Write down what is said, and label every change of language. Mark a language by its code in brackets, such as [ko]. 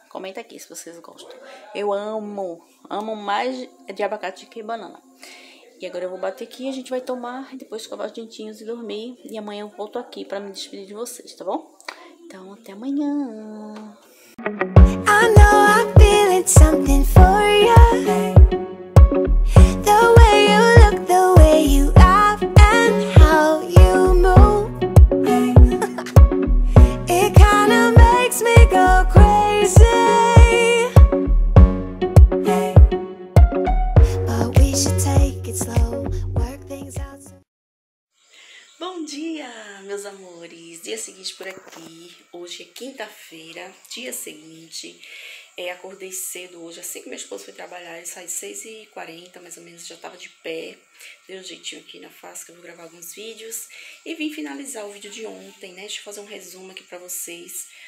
[pt] Comenta aqui se vocês gostam. Eu amo, amo mais de abacate que banana. E agora eu vou bater aqui, a gente vai tomar e depois escovar os dentinhos e dormir. E amanhã eu volto aqui pra me despedir de vocês, tá bom? Então, até amanhã! [en] I know I'm feeling did something for ya. The way you look, the way you act, and how you move, it kinda makes me go crazy. But we should take it slow, work things out. [pt] Bom dia, meus amores. Dia seguinte por aqui. Hoje é quinta-feira, dia seguinte. Acordei cedo hoje, assim que meu esposo foi trabalhar, eu saí 6h40, mais ou menos, já tava de pé. Dei um jeitinho aqui na face, que eu vou gravar alguns vídeos. E vim finalizar o vídeo de ontem, né? Deixa eu fazer um resumo aqui pra vocês.